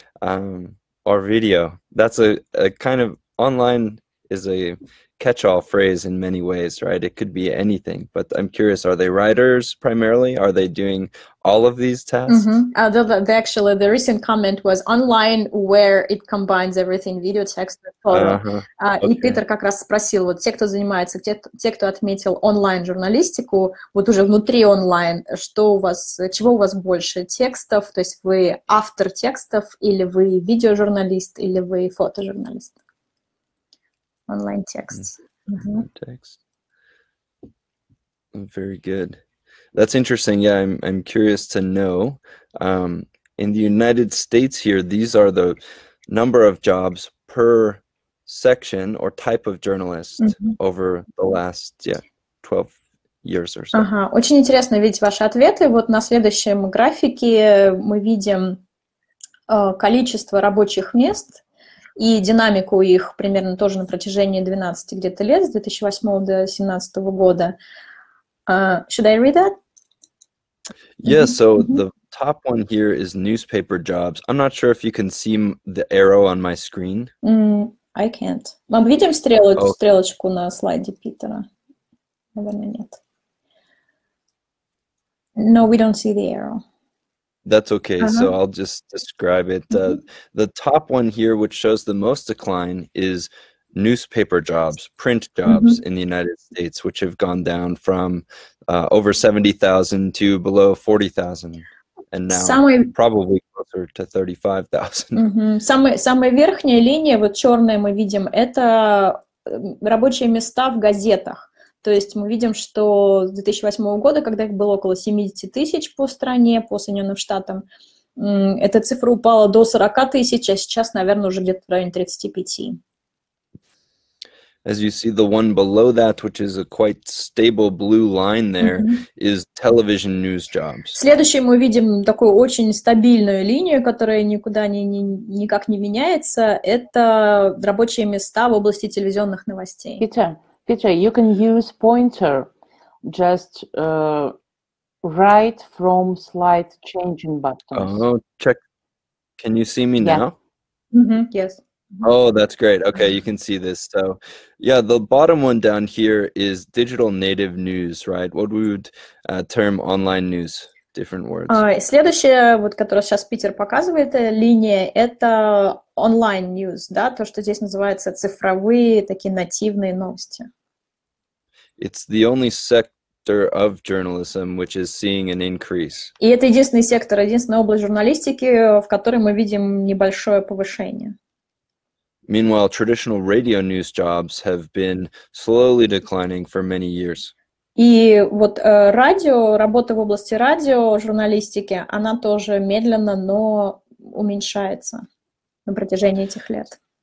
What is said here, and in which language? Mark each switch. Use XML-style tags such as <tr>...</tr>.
<en>Or video. That's a kind of online is a catch-all phrase in many ways, right? It could be anything. But I'm curious, are they writers primarily? Are they doing all of these tasks? Actually, the recent comment was online, where it combines everything, video, text, and photo.</en> <ru>И Питер как раз спросил, вот те, кто занимается, те, кто отметил онлайн-журналистику, вот уже внутри онлайн, что у вас, чего у вас больше, текстов, то есть вы автор текстов, или вы видеожурналист, или вы фотожурналист?</ru> <en>Online texts. Very good. That's interesting. Yeah, I'm curious to know. In the United States here, these are the number of jobs per section or type of journalist over the last 12 years or so.</en> <ru>Ага, очень интересно видеть ваши ответы. Вот на следующем графике мы видим количество рабочих мест и динамику их примерно тоже на протяжении 12 где-то лет, с 2008 до 2017 года.</ru> <en>Should I read that? Yeah, so the top one here is newspaper jobs. I'm not sure if you can see the arrow on my screen. I can't.</en> <ru>Мы видим стрелочку на слайде Питера? Наверное, нет.</ru> <en>No, we don't see the arrow. That's okay, so I'll just describe it. The top one here, which shows the most decline, is newspaper jobs, print jobs in the United States, which have gone down from over 70,000 to below 40,000. And now probably closer to 35,000.</en> <ru>Самая верхняя линия, вот черная мы видим, это рабочие места в газетах. То есть мы видим, что с 2008 года, когда их было около 70 тысяч по стране, по Соединенным Штатам, эта цифра упала до 40 тысяч, а сейчас, наверное, уже где-то в районе 35.</ru> <en>As you see, the one below that, which is a quite stable blue line there, is television news jobs.</en> <ru>Следующий мы видим такую очень стабильную линию, которая никуда никак не меняется. Это рабочие места в области телевизионных новостей.</ru> <en>Питер, you can use pointer, just right from slide changing buttons. Oh, check. Can you see me now? Yes. Oh, that's great. Okay, you can see this. So, yeah, the bottom one down here is digital native news, right? What we would term online news, different words.</en> <ru>Следующая, вот, которую сейчас Питер показывает, линия, это онлайн news, да, то, что здесь называется цифровые, такие нативные новости.</ru> <en>It's the only sector of journalism which is seeing an increase.</en> <ru>И это единственный сектор, единственная область журналистики, в которой мы видим небольшое повышение.</ru> <en>Meanwhile, traditional radio news jobs have been slowly declining for many years.</en> <ru>И вот радио, работа в области радио, журналистики, она тоже медленно, но уменьшается на протяжении этих лет.</ru>